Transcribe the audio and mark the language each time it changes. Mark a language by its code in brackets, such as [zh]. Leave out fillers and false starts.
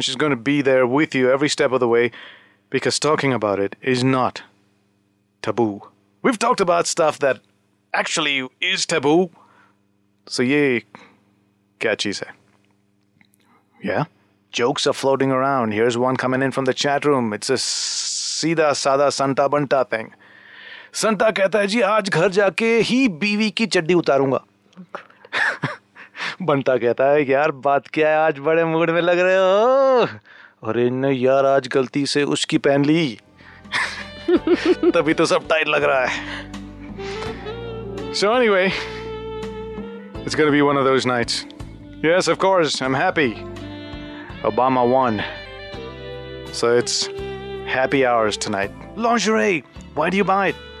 [en] She's going to be there with you every step of the way. Because talking about it is not taboo. We've talked about stuff that actually is taboo. So ye catchy say. Yeah? Jokes are floating around. Here's one coming in from the chat room. It's a [hi] सीधा साधा संता बंटा thing. संता कहता है जी आज घर जाके ही बीवी की चड्डी उतारूंगा. बंटा कहता है यार बात क्या है, आज बड़े मूड में लग रहे हो. अरे नहीं यार आज गलती से उसकी पहन ली. तभी तो सब टाइट लग रहा है. [en] So anyway, it's going to be one of those nights. Yes, of course, I'm happy. Obama won. So it's happy hours tonight. Lingerie, why do you buy it?